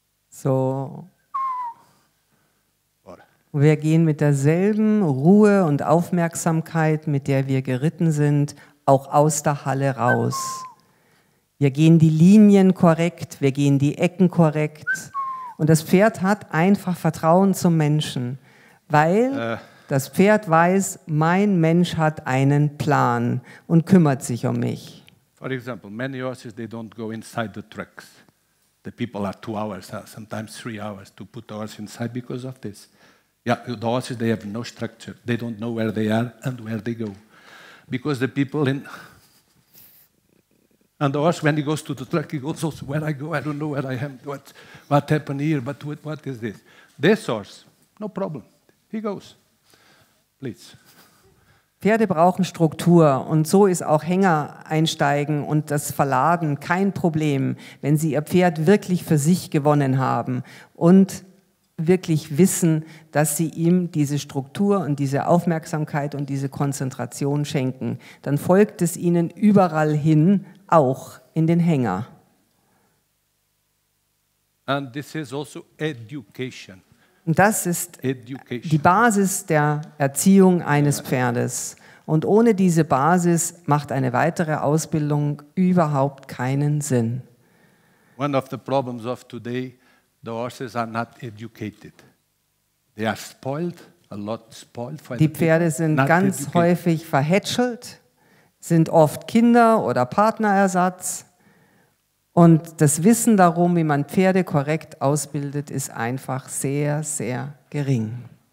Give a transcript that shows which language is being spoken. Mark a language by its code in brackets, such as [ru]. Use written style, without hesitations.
[de] So, wir gehen mit derselben Ruhe und Aufmerksamkeit, mit der wir geritten sind, auch aus der Halle raus. Wir gehen die Linien korrekt, wir gehen die Ecken korrekt. Und das Pferd hat einfach Vertrauen zum Menschen, weil das Pferd weiß, mein Mensch hat einen Plan und kümmert sich um mich. [en] For example, many horses, they don't go inside the tracks. The people are 2 hours, sometimes 3 hours to put the horse inside because of this. Yeah, the horses, they have no structure. They don't know where they are and where they go. Because the people in... And the horse, when he goes to the track, he goes, also, where I go, I don't know where I am, what happened here, but what is this? This horse, no problem. He goes. Please. [de] Pferde brauchen Struktur und so ist auch Hänger einsteigen und das Verladen kein Problem, wenn sie ihr Pferd wirklich für sich gewonnen haben und wirklich wissen, dass sie ihm diese Struktur und diese Aufmerksamkeit und diese Konzentration schenken. Dann folgt es ihnen überall hin, auch in den Hänger. [en] And this is also education. [de] Und das ist die Basis der Erziehung eines Pferdes. Und ohne diese Basis macht eine weitere Ausbildung überhaupt keinen Sinn. [en] One of the problems of today, the horses are not educated. They are spoiled, a lot spoiled. [de] Die Pferde sind ganz häufig verhätschelt, sind oft Kinder oder Partnerersatz Und das Wissen darum, wie man Pferde korrekt ausbildet, ist einfach sehr, sehr gering.